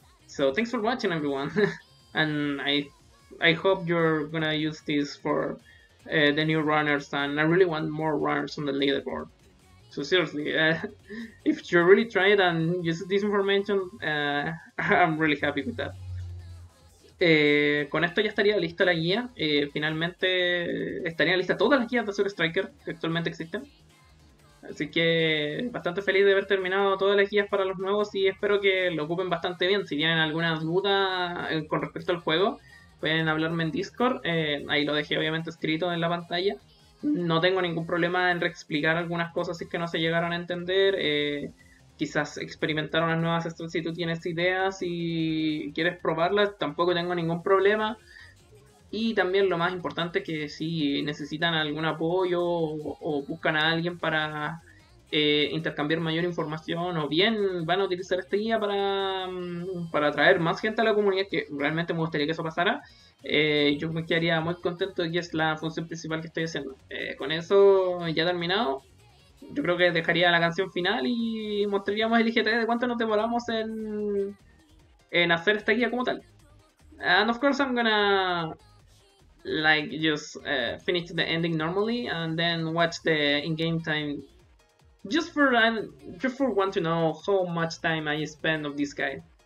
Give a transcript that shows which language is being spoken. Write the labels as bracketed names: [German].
[English] So thanks for watching, everyone, and I hope you're gonna use this for the new runners, and I really want more runners on the leaderboard. So seriously, if you really try it and use this information, I'm really happy with that. [Spanish] Con esto ya estaría lista la guía. Finalmente estaría lista todas las guías de Azure Striker que actualmente existen. Así que bastante feliz de haber terminado todas las guías para los nuevos y espero que lo ocupen bastante bien. Si tienen alguna duda con respecto al juego, pueden hablarme en Discord. Ahí lo dejé obviamente escrito en la pantalla. No tengo ningún problema en reexplicar algunas cosas si es que no se llegaron a entender. Quizás experimentar unas nuevas strats si tú tienes ideas y quieres probarlas, tampoco tengo ningún problema. Y también lo más importante, que si necesitan algún apoyo o buscan a alguien para intercambiar mayor información, o bien van a utilizar esta guía para atraer más gente a la comunidad, que realmente me gustaría que eso pasara, yo me quedaría muy contento y es la función principal que estoy haciendo. Con eso ya terminado. Yo creo que dejaría la canción final y mostraríamos el IGT de cuánto nos demoramos en hacer esta guía como tal. [English] And of course I'm gonna like just finish the ending normally and then watch the in-game time just for want to know how much time I spend of this guy.